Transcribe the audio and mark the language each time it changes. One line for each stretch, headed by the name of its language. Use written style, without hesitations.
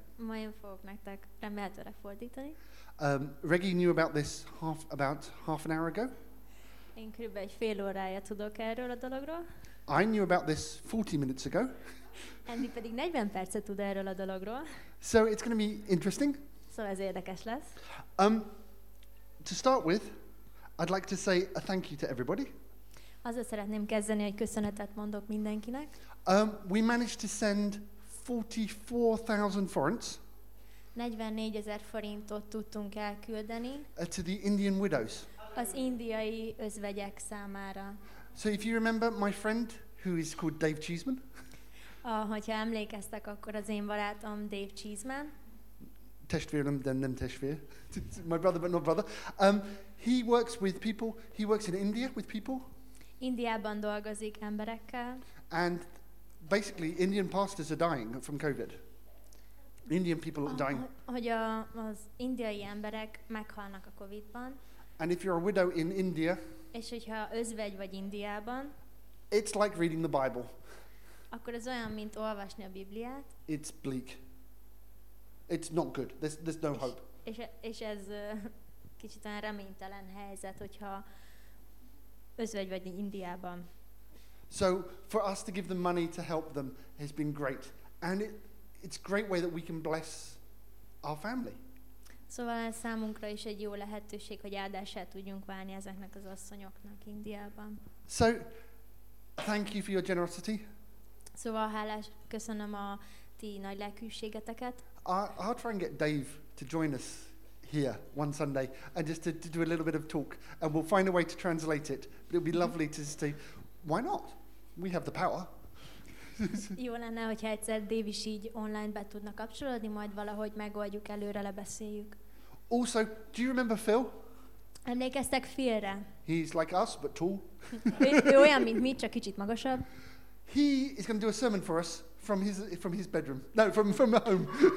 Hungarian: Majd fogok nektek remélhetőleg fordítani.
English: Reggie knew about this about half an hour ago.
Hungarian: Én kb. Egy fél órája tudok erről a dologról.
English: I knew about this 40 minutes ago.
Hungarian: Andy pedig 40 percet tud erről a dologról.
English: So it's going to be interesting.
Hungarian: Szóval ez érdekes lesz.
English: To start with, I'd like to say a thank you to everybody.
Hungarian: Azzal szeretném kezdeni, hogy köszönetet mondok mindenkinek.
English: We managed to send 44,000 forints.
Hungarian: 44,000 forintot tudtunk elküldeni.
English: To the Indian widows.
Hungarian: Az indiai özvegyek számára.
English: So if you remember my friend, who is called Dave Cheeseman.
Hungarian: Hogyha emlékeztek, akkor az én barátom Dave Cheeseman. Testvérem, de nem testvér.
English: My brother, but not brother. He works with people. He works in India with people.
Hungarian: Indiában dolgozik emberekkel.
English: And basically, Indian pastors are dying from COVID. Indian people are dying.
Hungarian: Hogy az indiai emberek meghalnak a COVID-ban.
English: And if you're a widow in India.
Hungarian: És hogyha özvegy vagy Indiában.
English: It's like reading the Bible.
Hungarian: Akkor ez olyan, mint olvasni a Bibliát.
English: It's bleak. It's not good. There's no hope.
Hungarian: És ez kicsit olyan reménytelen helyzet, hogyha özvegy vagy Indiában.
English: So for us to give them money to help them has been great, and it's a great way that we can bless our family.
Hungarian: Szóval ez számunkra is egy jó lehetőség, hogy áldását tudjunk válni ezeknek az asszonyoknak Indiában.
English: So thank you for your generosity.
Hungarian: Szóval hálás, köszönöm a ti nagy lelkűségeteket.
English: I'll try and get Dave to join us here one Sunday and just to do a little bit of talk, and we'll find a way to translate it. But it would be lovely to just say, why not? We have the power.
Hungarian: Jó lenne, hogyha egyszer Dév is így online be tudna kapcsolódni, majd valahogy megoldjuk, előre lebeszéljük.
English: Also, do you remember Phil?
Hungarian: Emlékeztek Phil-re?
English: He's like us, but tall.
Hungarian: Ő olyan, mint mi, csak kicsit magasabb.
English: He is going to do a sermon for us from his bedroom. No, from the home.